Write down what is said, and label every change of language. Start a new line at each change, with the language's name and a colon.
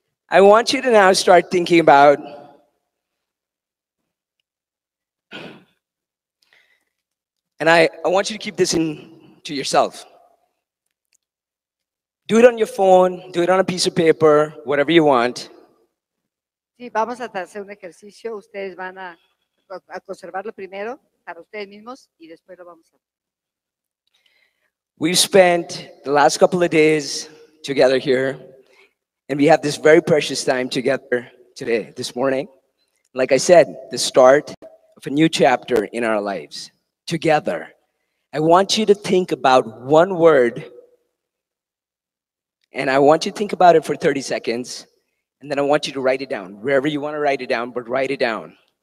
English: I want you to now start thinking about and I want you to keep this in to yourself. Do it on your phone, do it on a piece of paper, whatever you want.
Spanish: Sí, vamos a hacer un ejercicio. Ustedes van a conservarlo primero para ustedes mismos y después lo vamos a hacer.
English: We've spent the last couple of days together here, and we have this very precious time together today, this morning. Like I said, the start of a new chapter in our lives, together. I want you to think about one word, and I want you to think about it for 30 seconds, and then I want you to write it down, wherever you want to write it down, but write it down.